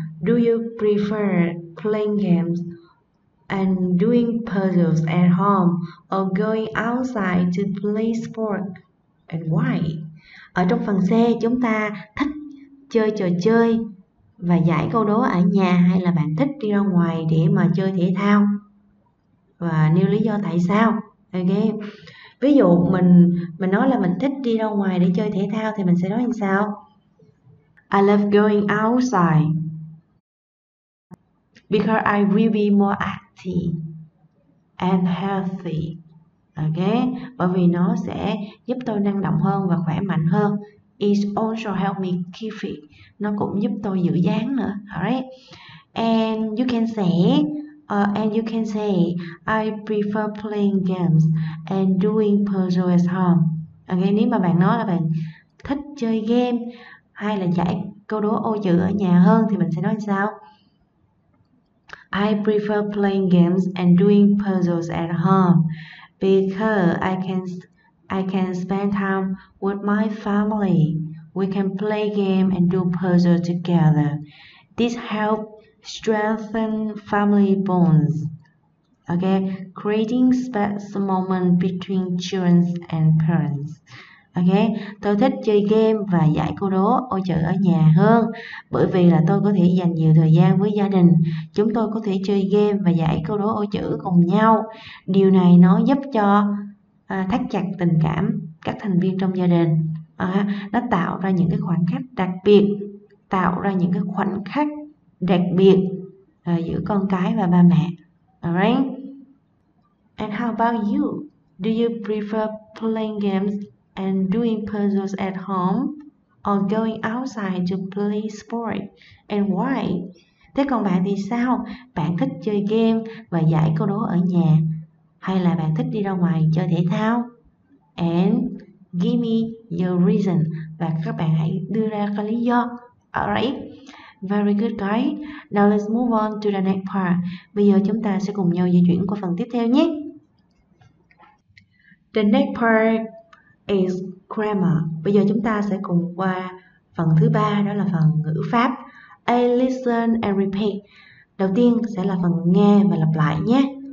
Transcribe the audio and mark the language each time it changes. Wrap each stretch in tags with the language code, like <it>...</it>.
<en>Do you prefer playing games and doing puzzles at home or going outside to play sport and why?</en> <vi>Ở trong phần C, chúng ta thích chơi trò chơi và giải câu đố ở nhà hay là bạn thích đi ra ngoài để mà chơi thể thao và nêu lý do tại sao? Ok, ví dụ mình nói là mình thích đi ra ngoài để chơi thể thao thì mình sẽ nói như sao?</vi> <en>I love going outside because I will be more active and healthy.</en> <vi>Ok, bởi vì nó sẽ giúp tôi năng động hơn và khỏe mạnh hơn.</vi> <en>It also help me keep fit.</en> <vi>Nó cũng giúp tôi giữ dáng nữa.</vi> <en>Alright. And you can say I prefer playing games and doing puzzles at home.</en> <vi>Ok, nếu mà bạn nói là bạn thích chơi game hay là giải câu đố ô chữ ở nhà hơn thì mình sẽ nói sao?</vi> <en>I prefer playing games and doing puzzles at home because I can spend time with my family. We can play game and do puzzle together. This helps strengthen family bonds. Okay, creating special moment between children and parents.</en> <vi>Okay, tôi thích chơi game và giải câu đố ô chữ ở nhà hơn bởi vì là tôi có thể dành nhiều thời gian với gia đình. Chúng tôi có thể chơi game và giải câu đố ô chữ cùng nhau. Điều này nó giúp cho thắt chặt tình cảm các thành viên trong gia đình. Nó tạo ra những cái khoảnh khắc đặc biệt, tạo ra những cái khoảnh khắc đặc biệt giữa con cái và ba mẹ.</vi> <en>Alright. And how about you? Do you prefer playing games and doing puzzles at home or going outside to play sport and why?</en> <vi>Thế còn bạn thì sao? Bạn thích chơi game và giải câu đố ở nhà hay là bạn thích đi ra ngoài chơi thể thao?</vi> <en>And give me your reason.</en> <vi>Và các bạn hãy đưa ra cái lý do.</vi> <en>Alright, very good guys. Now let's move on to the next part.</en> <vi>Bây giờ chúng ta sẽ cùng nhau di chuyển qua phần tiếp theo nhé.</vi> <en>The next part is grammar.</en> <vi>Bây giờ chúng ta sẽ cùng qua phần thứ ba, đó là phần ngữ pháp.</vi> <en>A, listen and repeat.</en> <vi>Đầu tiên sẽ là phần nghe và lặp lại nhé.</vi>